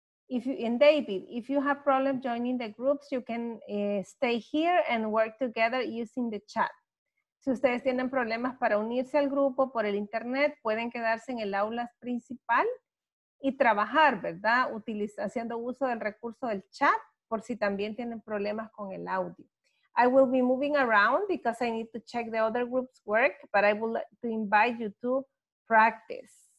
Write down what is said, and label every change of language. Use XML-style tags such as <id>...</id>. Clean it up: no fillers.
<en>And David, if you have problem joining the groups, you can stay here and work together using the chat.</en> <es>Si ustedes tienen problemas para unirse al grupo por el internet, pueden quedarse en el aula principal y trabajar, ¿verdad? Haciendo uso del recurso del chat por si también tienen problemas con el audio.</es> <en>I will be moving around because I need to check the other group's work, but I would like to invite you to practice.</en>